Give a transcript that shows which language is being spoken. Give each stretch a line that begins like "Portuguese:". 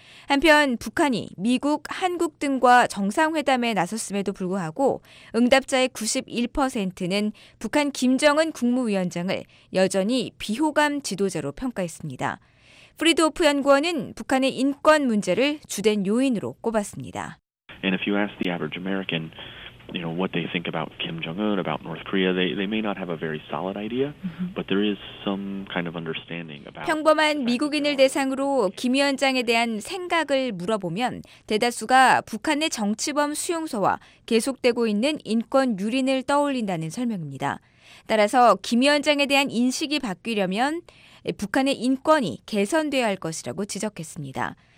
Korean: 한편 북한이 미국, 한국 등과 정상회담에 나섰음에도 불구하고 응답자의 91%는 북한 김정은 국무위원장을 여전히 비호감 지도자로 평가했습니다. 프리드호프 연구원은 북한의 인권 문제를 주된 요인으로 꼽았습니다.
English: And if you ask the average American, you know, what they think about Kim Jong-un, about North Korea. They may not have a very solid idea, but there is some kind of understanding about
Korean: 평범한 미국인을 대상으로 김 위원장에 대한 생각을 물어보면 대다수가 북한의 정치범 수용소와 계속되고 있는 인권 유린을 떠올린다는 설명입니다. 따라서 김 위원장에 대한 인식이 바뀌려면 북한의 인권이 개선돼야 할 것이라고 지적했습니다.